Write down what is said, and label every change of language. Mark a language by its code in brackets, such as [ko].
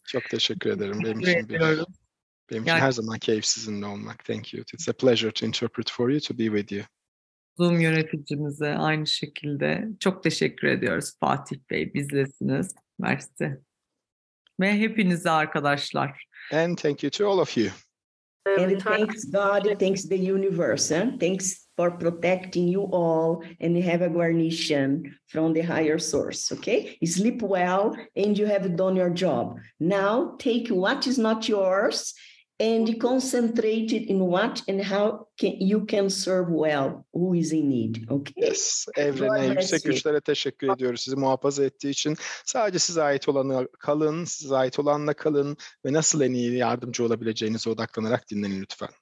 [tr] Çok teşekkür ederim. Benim için her zaman keyif sizinle olmak. [en] Thank you. It's a pleasure to interpret for you, to be with you. [tr] Zoom yöneticimize aynı şekilde çok teşekkür ediyoruz. Fatih Bey, bizlesiniz. Merci. Ve hepinize arkadaşlar. [en] And thank you to all of you. And thanks God, thanks the universe. Eh? Thanks for protecting you all and have a guarnition from the higher source, okay? Sleep well and you have done your job. Now take what is not yours and concentrate in what and how you can serve well who is in need, okay? [tr] Yes, evrene, yüksek güçlere teşekkür ediyoruz sizi muhafaza ettiği için. Sadece size ait olanı kalın, size ait olanla kalın ve nasıl en iyi yardımcı olabileceğinize odaklanarak dinlenin lütfen.